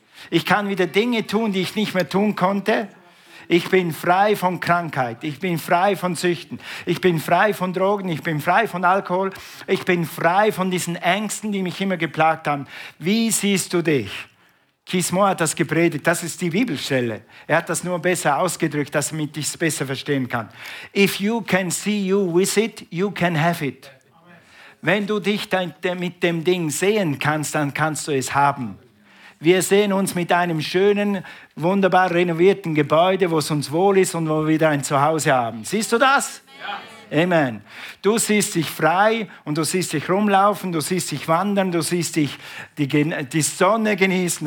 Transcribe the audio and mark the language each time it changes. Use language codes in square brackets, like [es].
[de] Ich kann wieder Dinge tun, die ich nicht mehr tun konnte. Ich bin frei von Krankheit, ich bin frei von Süchten, ich bin frei von Drogen, ich bin frei von Alkohol, ich bin frei von diesen Ängsten, die mich immer geplagt haben. Wie siehst du dich? Keith Moore hat das gepredigt, das ist die Bibelstelle. Er hat das nur besser ausgedrückt, damit ich es besser verstehen kann. [en] If you can see you with it, you can have it. [de] Wenn du dich mit dem Ding sehen kannst, dann kannst du es haben. Wir sehen uns mit einem schönen, wunderbar renovierten Gebäude, wo es uns wohl ist und wo wir wieder ein Zuhause haben. Siehst du das? Ja. Amen. Du siehst dich frei und du siehst dich rumlaufen, du siehst dich wandern, du siehst dich die Sonne genießen.